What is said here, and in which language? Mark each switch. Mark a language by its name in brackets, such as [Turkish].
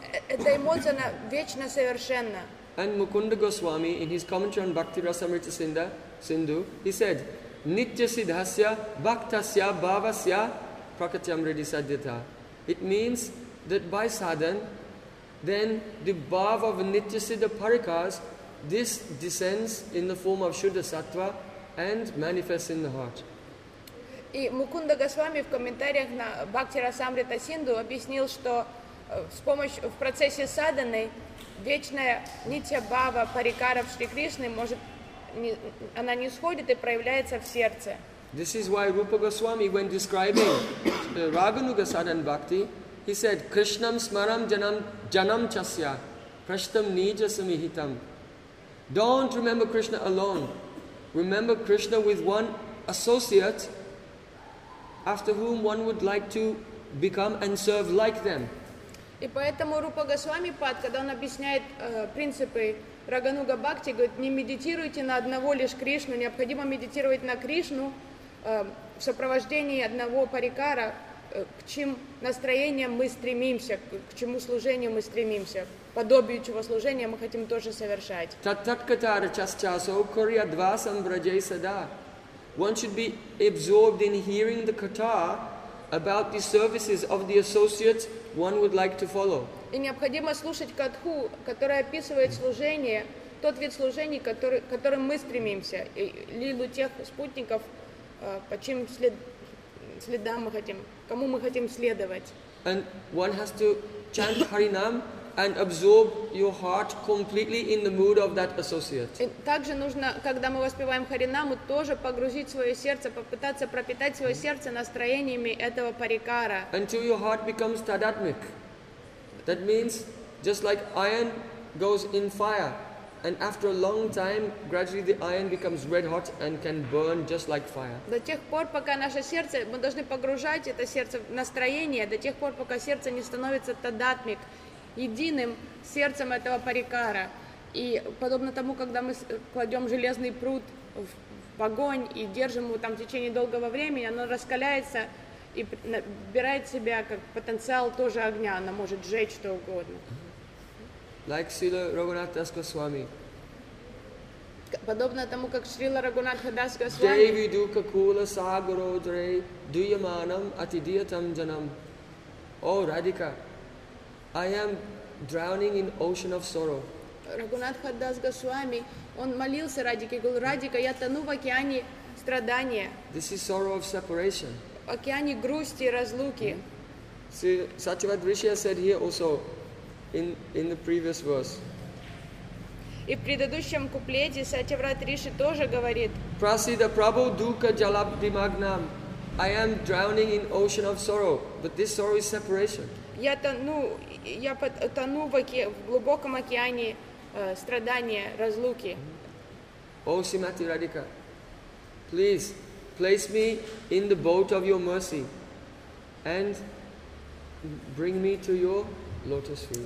[English] And Mukunda Goswami, in his commentary on Bhakti Rasamrita Sindhu, he said, [Sanskrit] nitya siddhasya bhaktasya bhavasya prakatyam riti sadhyata. [English] It means that by sadhan, then the bhav of nitya siddha parikas, this descends in the form of Shuddha Sattva and manifest in the heart. [Russian] И Мукунда Госвами в комментариях на Бхакти Расамрита Синду объяснил, что с помощью в процессе садханы вечная нитья бхава парикара в Шри Кришне может она не сходит и проявляется в сердце. [English] This is why Rupa Goswami, when describing Raganuga Sadhana Bhakti, he said, [Sanskrit] Krishnam smaram janam chasya, prashtam nija samihitam. [English] Don't remember Krishna alone. Remember Krishna with one associate after whom one would like to become and serve like them. [Russian] И поэтому Рупа Госвами Пад, когда он объясняет принципы Рагануга Бхакти, говорит, не медитируйте на одного лишь Кришну, необходимо медитировать на Кришну, в сопровождении одного парикара, к чьим настроениям мы стремимся, к чему служению мы стремимся, подобию чего служения мы хотим тоже совершать. [Sanskrit] Таткатара часчасо курья два самбраджей сада. [English] One should be absorbed in hearing the kata about the services of the associates one would like to follow. [Russian] И необходимо слушать катху, которая описывает служение, тот вид служений, которым мы стремимся, и лилу тех спутников, по чьим следам мы хотим, кому мы хотим следовать. [English] And one has to chant Harinam and absorb your heart completely in the mood of that associate. [Russian] И также нужно, когда мы воспеваем Харинаму, тоже погрузить свое сердце, попытаться пропитать свое сердце настроениями этого парикара. [English] Until your heart becomes tadatmik. That means, just like iron goes in fire, and after a long time, gradually the iron becomes red hot and can burn just like fire. [Russian] До тех пор, пока наше сердце, мы должны погружать это сердце в настроение, до тех пор, пока сердце не становится тадатмик, единым сердцем этого парикара. И подобно тому, когда мы кладем железный прут в огонь и держим его там в течение долгого времени, оно раскаляется и набирает себя как потенциал тоже огня, она может сжечь что угодно. [English] Like Srila Raghunath Das Goswami. [Russian] Подобно тому, как Шрила Рагунатха Дас Госвами. [Sanskrit] Деви дука кула сагро дрей дуйяманам атидиятам джанам. [English] О, Радика, I am drowning in ocean of sorrow. [Russian] Рагунатха Дас Госвами, он молился Радике, говорил, Радика, я тону в океане страдания. [English] This is sorrow of separation. [Russian] Океане грусти и разлуки. [English] See, Satyavad Rishi said here also in the previous verse. [Russian] И в предыдущем куплете Сатьяврат Риши тоже говорит. [Sanskrit] Prasida Prabhu Duka Jalabdimagnam. [English] I am drowning in ocean of sorrow. But this sorrow is separation. [Russian] Я тону в глубоком океане страдания, разлуки. [English] О, Симати Радика, please. Place me in the boat of your mercy and bring me to your lotus feet.